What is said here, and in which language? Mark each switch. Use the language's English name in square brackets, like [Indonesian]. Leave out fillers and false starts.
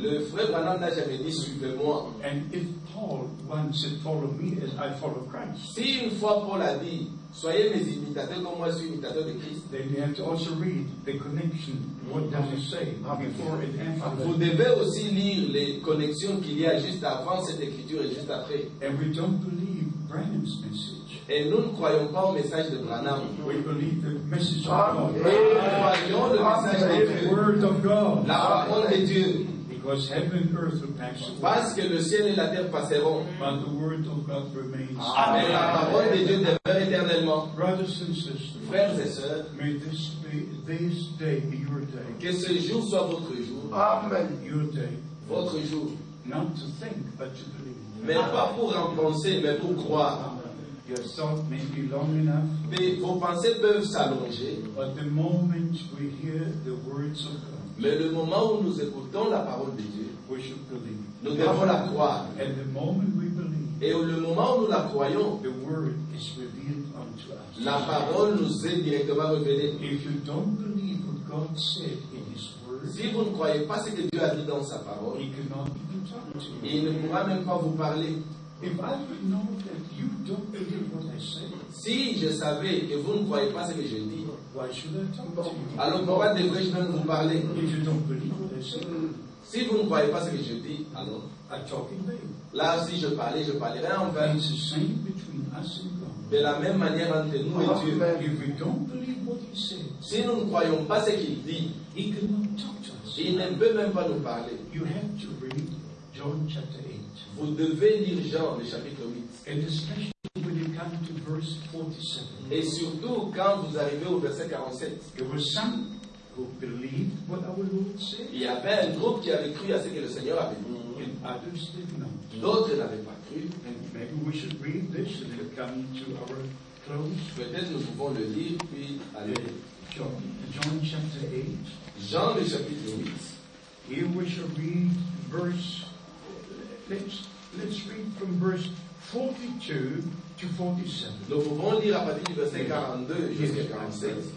[French] Le frère Branham n'a jamais dit suivez-moi. [English] And if Paul once said follow me, as I follow Christ. [French] Si une fois Paul a dit soyez mes imitateurs comme moi je suis imitateur de Christ. [English] Then you have to also read the connection. What does it say before and after? [French] Vous devez aussi lire les connexions qu'il y a juste avant cette écriture et juste après. [English] And we don't believe. Branham's message. [French] Et nous ne croyons pas au message de Branham. [English] We believe the message of God. [French] Nous croyons le message de Dieu. [English] The word of God. [French] La parole de Dieu. [English] Because heaven and earth will pass away. [French] Parce que le ciel et la terre passeront. [English] But the word of God remains. [French] Mais la parole de Dieu demeure éternellement. [English] Brothers and sisters, [French] frères et sœurs, [English] may this day be your day. [French] Que ce jour soit votre jour. [English] Amen. Your day. [French] Votre jour. [English] Not to think, but to believe. [French] Mais pas pour en penser, mais pour croire. [English] Your thought may be long enough. [French] Mais vos pensées peuvent s'allonger. [English] But the moment we hear the words of God, [French] mais le moment où nous écoutons la parole de Dieu, [English] we should believe. [French] Nous devons la croire. [English] And the moment we believe, [French] et le moment où nous la croyons, [English] the word is revealed unto us. [French] La parole nous est directement révélée. [English] If you don't believe what God said in His word, [French] si vous ne croyez pas ce que Dieu a dit dans sa parole, [English] He cannot. [French] Il ne pourra même pas vous parler. [English] If I would know that you don't believe what I say, [French] si je savais que vous ne croyez pas ce que je dis, [English] why should I talk to you? [French] Alors pourquoi devrais-je même vous parler? [English] If you don't believe what I say, [French] si vous ne croyez pas ce que je dis, alors [English] I talk in vain. [French] Là, si je parlais, je parlerai en vain. [English] It's the same between us and God. [French] De la même manière entre nous et Dieu. [English] If we don't believe what he said, [French] si nous ne croyons pas ce qu'il dit, [English] he cannot talk to us. [French] Il ne peut même pas nous parler. [English] You have to read John chapter 8. [French] Vous devez lire Jean le chapitre 8. [English] And especially when you come to verse 47. [French] Et surtout quand vous arrivez au verset 47. [English] There were some who believed what our Lord said. [French] Il y avait un groupe qui avait cru à ce que le Seigneur avait dit. [English] And others did not. [French] D'autres n'avaient pas cru. [English] And maybe we should read this and then come to our close. [French] Peut-être nous pouvons le lire puis aller. [English] John chapter 8. [French] Jean le chapitre 8. [English] Here we shall read verse. Let's read from verse 42 to 47. [French] Nous pouvons lire à partir du verset 42 jusqu'à 47.